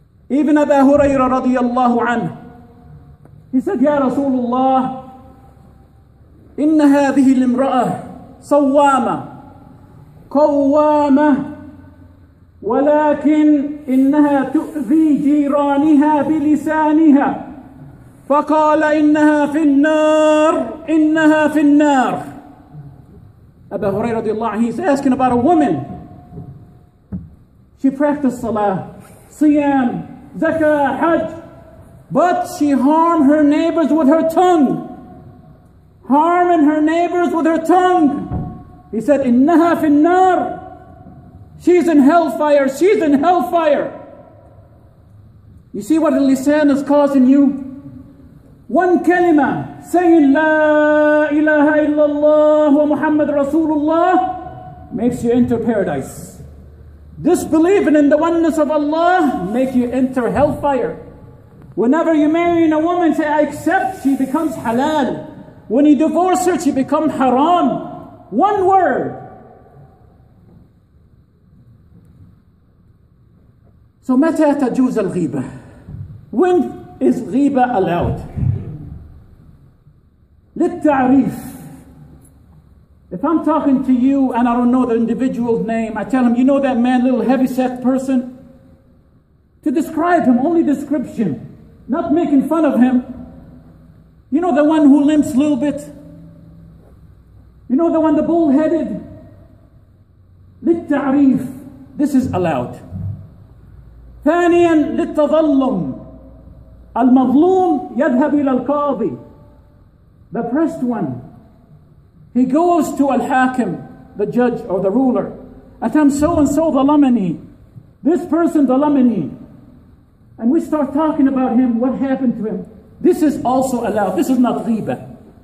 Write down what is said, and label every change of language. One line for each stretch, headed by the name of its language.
English: Even Abu Huraira radiallahu anhu, he said, Ya Rasulullah,
Arabic: إن هذه الامرأة صوامة قوامة ولكن إنها تؤذي جيرانها بلسانها فقال إنها في النار إنها في النار.
English: Abu Huraira radiallahu anhu, he's asking about a woman. She practiced salah, siyam, zakah, hajj, but she harmed her neighbors with her tongue. Harming her neighbors with her tongue. He said,
Arabic: إِنَّهَا فِي النَّارِ.
English: She's in hellfire, she's in hellfire. You see what the lisan is causing you? One kalima, saying,
Arabic: لا إله إلا الله ومحمد رسول الله,
English: makes you enter paradise. Disbelieving in the oneness of Allah make you enter hellfire. Whenever you marry a woman, say, I accept, she becomes halal. When you divorce her, she becomes haram. One word.
Arabic: So, متى تجوز الغيبة?
English: When is غيبة allowed?
Arabic: للتعريف.
English: If I'm talking to you and I don't know the individual's name, I tell him, you know that man, little heavyset person? To describe him, only description, not making fun of him. You know the one who limps a little bit? You know the one, the bull-headed?
Arabic: للتعريف,
English: this is allowed.
Arabic: ثانيا للتظلم, المظلوم يذهب إلى القاضي.
English: The first one, he goes to al-hakim, the judge or the ruler. Atam so-and-so dhalamani, this person dhalamani. And we start talking about him, what happened to him. This is also allowed, this is not ghiba.